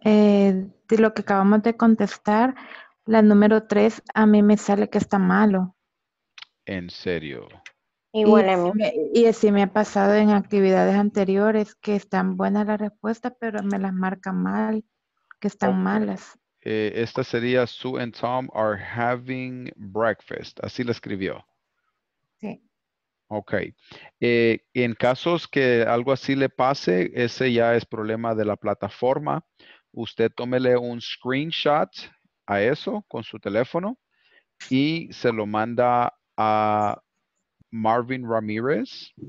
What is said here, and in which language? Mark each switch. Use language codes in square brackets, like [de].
[es] De lo que acabamos de contestar, la número 3, a mí me sale que está malo. ¿En serio? Igual a mí. Y así me ha pasado en actividades anteriores que están buenas las respuestas, pero me las marca mal, que están malas. Esta sería [en] Sue and Tom are having breakfast. [es] Así la escribió. Ok. En casos que algo así le pase, ese ya es problema de la plataforma. Usted tómele un screenshot a eso con su teléfono y se lo manda a Marvin Ramirez.